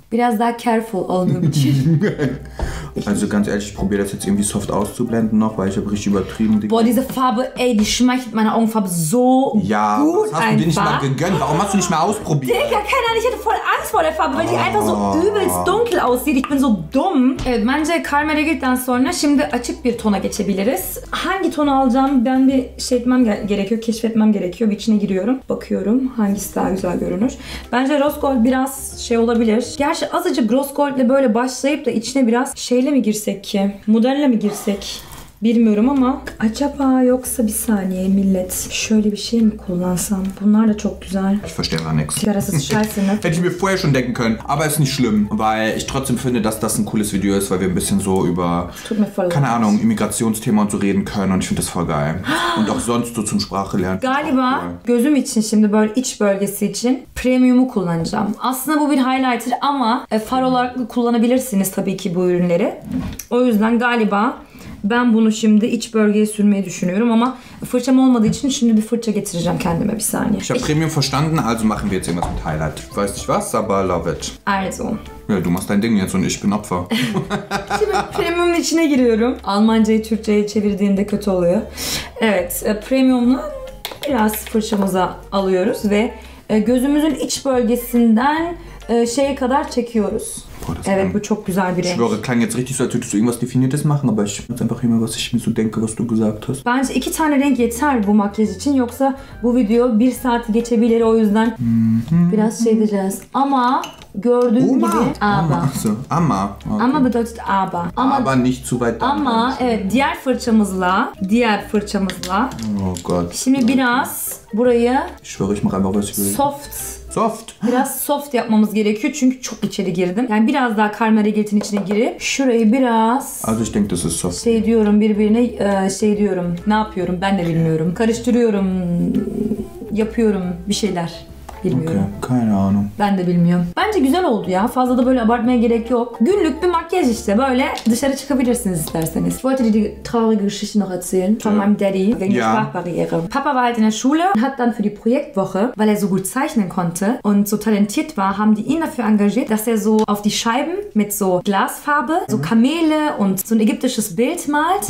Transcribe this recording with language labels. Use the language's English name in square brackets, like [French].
[German] Wieder sag careful, Oldumci. Also ganz ehrlich, ich probiere das jetzt irgendwie soft auszublenden noch, weil ich habe richtig übertrieben. Boah, diese Farbe, ey, die schmeichelt meine Augenfarbe so ja, gut einfach. Ja, was hast du dir nicht mal gegönnt? Warum hast du nicht mal ausprobiert? Digga, keine Ahnung, ich hätte voll Angst vor der Farbe, weil die einfach so übelst dunkel aussieht. Ich bin so dumm. [Turkish] Bence Karma Regal'dan sonra şimdi açık bir tona geçebiliriz. Hangi tonu alacağım ben bir şey etmem gerekiyor, keşfetmem gerekiyor. İçine giriyorum, bakıyorum hangisi daha güzel görünür. Bence Rose Gold biraz şey olabilir. Gerçi azıcık Rose Gold ile böyle başlayıp da içine biraz şeyle mi girsek ki? Modelle mi girsek? Bilmiyorum ama acaba yoksa bir saniye millet şöyle bir şey mi kullansam? Bunlar da çok güzel. [German] Ich verstehe gar nichts. [Turkish] Sigarasız [German] scheiße, ne? Hätte ich mir vorher schon denken können, aber ist nicht schlimm, weil ich trotzdem finde, dass das ein cooles Video ist, weil wir ein bisschen so über, tut mir voll keine leid. Ahnung, Immigrationsthema und so reden können und ich finde das voll geil. Und auch sonst so zum Sprache lernen. [Turkish] Galiba cool. Gözüm için şimdi böyle iç bölgesi için premium'u kullanacağım. Aslında bu bir highlighter ama far olarak kullanabilirsiniz tabii ki bu ürünleri. O yüzden galiba ben bunu şimdi iç bölgeye sürmeyi düşünüyorum ama fırçam olmadığı için şimdi bir fırça getireceğim kendime bir saniye. [German] Ich habe premium verstanden, also machen wir jetzt irgendwas mit Highlight. Weiß nicht was, aber [English] love it. [German] Also. Ja, du machst dein Ding jetzt und ich bin Opfer. [Turkish] Şimdi premium'un içine giriyorum. Almancayı Türkçe'ye çevirdiğinde kötü oluyor. Evet, premium'la biraz fırçamıza alıyoruz ve gözümüzün iç bölgesinden şeye kadar çekiyoruz. Boah, evet, bu çok güzel bir renk. [German] Ich schwöre, klang jetzt richtig so, als würdest du irgendwas Definiertes machen, aber ich weiß einfach immer, was ich mir so denke, was du gesagt hast. [Turkish] Bence iki tane renk yeter bu makyaj için, yoksa bu video bir saat geçebilir, o yüzden biraz şey edeceğiz. Ama gördüğün Uma. Gibi, ama. So, ama. [German] Okay. Ama bedeutet aber. Aber nicht zu weit. [Turkish] Ama, evet, diğer fırçamızla. [German] Oh Gott. [Turkish] Şimdi biraz burayı... [German] Ich schwöre, ich mach einfach, was ich will. [English] Soft. Soft. [Turkish] Biraz soft yapmamız gerekiyor çünkü çok içeri girdim. Yani biraz daha karma regletin içine girip şurayı biraz... [German] Also ich denke, das ist soft. [Turkish] Şey diyorum birbirine, şey diyorum, ne yapıyorum ben de bilmiyorum. Karıştırıyorum, yapıyorum bir şeyler. Bilmiyorum. [German] Okay. Keine Ahnung. [Turkish] Ben de bilmiyorum. Bence güzel oldu ya. Fazla da böyle abartmaya gerek yok. Günlük bir makyaj işte. Böyle dışarı çıkabilirsiniz isterseniz. [German] Ich wollte dir die traurige Geschichte noch erzählen. Von meinem Daddy. Wegen der Sprachbarriere. Papa war halt in der Schule und hat dann für die Projektwoche, weil er so gut zeichnen konnte und so talentiert war, haben die ihn dafür engagiert, dass er so auf die Scheiben mit so Glasfarbe, so Kamele und so ein ägyptisches Bild malt.